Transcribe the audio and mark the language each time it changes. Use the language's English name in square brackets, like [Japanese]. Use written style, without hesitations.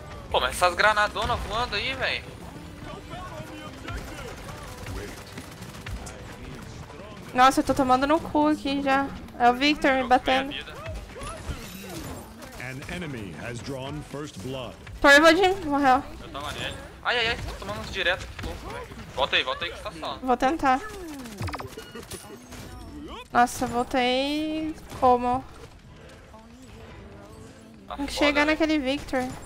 [Portuguese] Pô, mas essas granadonas voando aí, velho. Nossa, eu tô tomando no cu aqui já. É o Victor me batendo. [English] An enemy has drawn first blood. [Portuguese] Tô revoltinho, morreu. Eu tava nele. Ai, ai, ai, tô tomando uns direto aqui, louco. Volta aí que você tá só. Vou tentar. Nossa, voltei. Como? Tá tem que foda, chegar, véio, naquele Victor.